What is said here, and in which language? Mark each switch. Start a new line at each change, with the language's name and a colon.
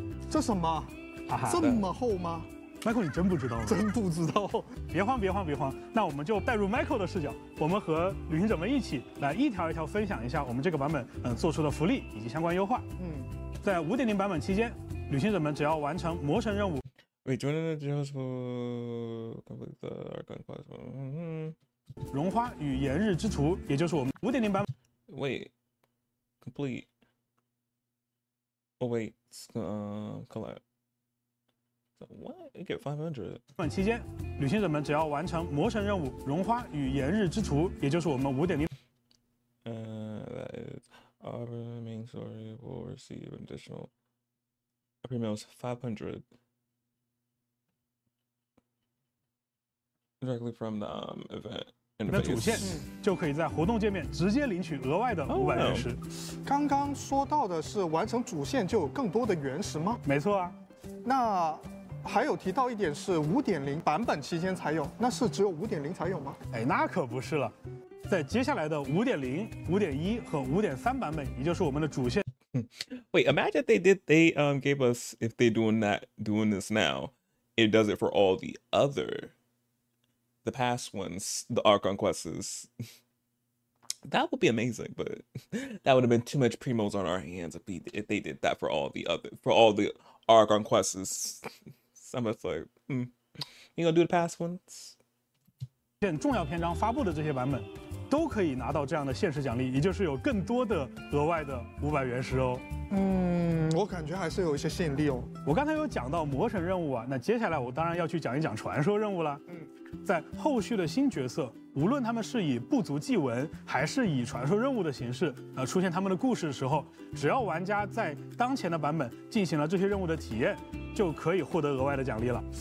Chinese: 这什么？这么厚吗？ Michael， 你真不知道吗？真不知道。别慌，别慌，别慌。那我们就带入 Michael 的视角，我们和旅行者们一起来一条一条分享一下我们这个版本做出的福利以及相关优化。在5.0版本期间，旅行者们只要完成魔神任务。
English: Wait, join in the details for complete the Argon quest.
Chinese: 荣花与炎日之徒，也就是我们5.0版本。
English: Wait, complete. Oh wait, collect. What? You get 500.
Chinese: 期间，旅行者们只要完成魔神任务《荣花与炎日之徒》，也就是我们5.0。
English: That is our main story. Will receive additional premiums 500 directly from the event interface.
Chinese: 那主线就可以在活动界面直接领取额外的500元石。刚刚说到的是完成主线就有更多的原石吗？没错啊。那还有提到一点是5.0版本期间才有，那是只有5.0才有吗？哎，那可不是了，在接下来的5.0、5.1和5.3版本，也就是我们的主线。
English: Wait, imagine they did they gave us if they doing that doing this now, it does it for all the other, the past ones, the Archon quests. That would be amazing, but that would have been too much primos on our hands if they did that for all the other for all the Archon quests. I'm just like, you gonna do the past ones?
Chinese: 现重要篇章发布的这些版本，都可以拿到这样的限时奖励，也就是有更多的额外的500元石哦。我感觉还是有一些吸引力哦。我刚才有讲到魔神任务啊，那接下来我当然要去讲一讲传说任务了。在后续的新角色，无论他们是以部族祭文还是以传说任务的形式出现他们的故事的时候，只要玩家在当前的版本进行了这些任务的体验，就可以获得额外的奖励了。